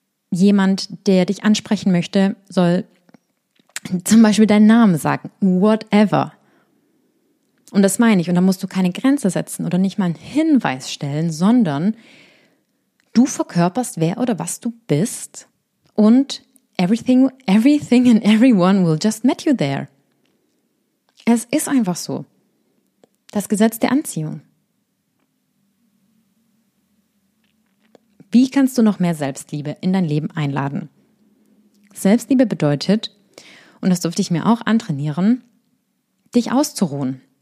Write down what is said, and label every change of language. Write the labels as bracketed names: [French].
[German] Jemand, der dich ansprechen möchte, soll zum Beispiel deinen Namen sagen. [English] Whatever. [German] Und das meine ich. Und da musst du keine Grenze setzen oder nicht mal einen Hinweis stellen, sondern du verkörperst, wer oder was du bist. [English] Und everything and everyone will just meet you there. [German] Es ist einfach so. Das Gesetz der Anziehung. Wie kannst du noch mehr Selbstliebe in dein Leben einladen? Selbstliebe bedeutet, und das durfte ich mir auch antrainieren, dich auszuruhen.